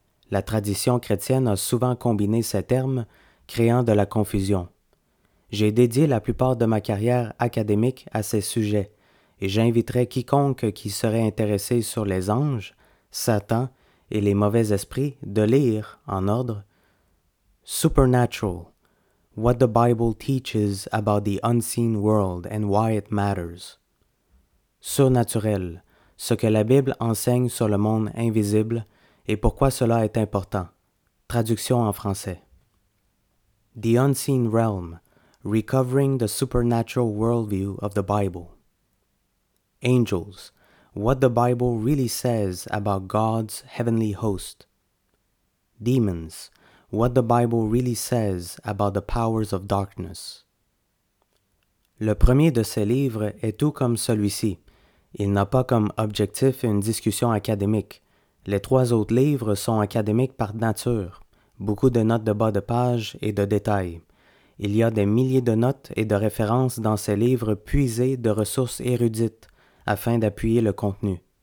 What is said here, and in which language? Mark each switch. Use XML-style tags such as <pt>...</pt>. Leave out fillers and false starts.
<fr>La tradition chrétienne a souvent combiné ces termes, créant de la confusion. J'ai dédié la plupart de ma carrière académique à ces sujets, et j'inviterai quiconque qui serait intéressé sur les anges, Satan et les mauvais esprits de lire, en ordre, Supernatural.</fr> <en>What the Bible teaches about the unseen world and why it matters.</en> <fr>Surnaturel, ce que la Bible enseigne sur le monde invisible et pourquoi cela est important. Traduction en français.</fr> <en>The unseen realm, recovering the supernatural worldview of the Bible. Angels, what the Bible really says about God's heavenly host. Demons, what the Bible really says about the powers of darkness.</en> <fr>Le premier de ces livres est tout comme celui-ci. Il n'a pas comme objectif une discussion académique. Les trois autres livres sont académiques par nature, beaucoup de notes de bas de page et de détails. Il y a des milliers de notes et de références dans ces livres puisées de ressources érudites afin d'appuyer le contenu.</fr>